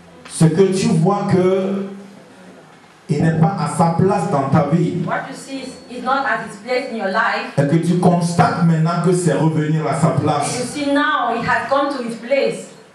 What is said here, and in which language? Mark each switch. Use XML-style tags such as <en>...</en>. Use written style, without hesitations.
<fr>Ce que tu vois que il n'est pas à sa place dans ta vie.</fr> <en>What you see is not at its place in your life.</en> <fr>Et que tu constates maintenant que c'est revenu à sa place.</fr> <en>You see now it has come to its place.</en>